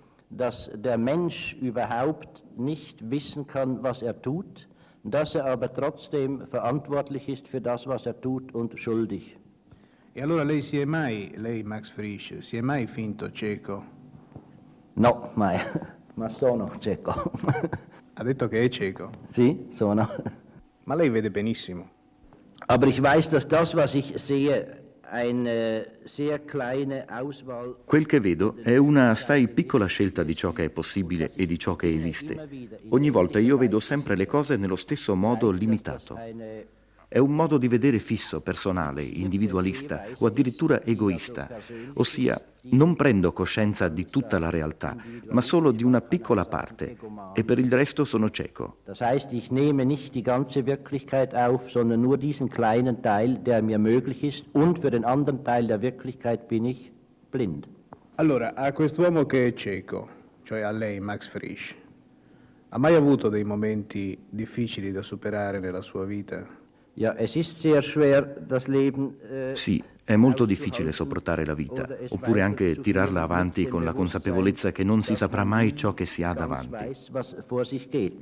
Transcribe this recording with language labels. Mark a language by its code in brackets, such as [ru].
[de] Dass der Mensch überhaupt nicht wissen kann, was er tut, dass er aber trotzdem verantwortlich ist für das, was er tut, und schuldig. [it] E allora lei si è mai, lei Max Frisch, si è mai finto cieco? No, mai. Ma sono cieco. Ha detto che è cieco? Sì, sono. Ma lei vede benissimo. [de] Aber ich weiß, dass das, was ich sehe, eine sehr kleine Auswahl. [it] Quel che vedo è una assai piccola scelta di ciò che è possibile e di ciò che esiste. Ogni volta io vedo sempre le cose nello stesso modo limitato. È un modo di vedere fisso, personale, individualista o addirittura egoista. Ossia, non prendo coscienza di tutta la realtà, ma solo di una piccola parte, e per il resto sono cieco. [de] Das heißt, ich nehme nicht die ganze Wirklichkeit auf, sondern nur diesen kleinen Teil, der mir möglich ist, und für den anderen Teil der Wirklichkeit bin ich blind. [it] Allora, a quest'uomo che è cieco, cioè a lei, Max Frisch, ha mai avuto dei momenti difficili da superare nella sua vita? Sì, è molto difficile sopportare la vita, oppure anche tirarla avanti con la consapevolezza che non si saprà mai ciò che si ha davanti.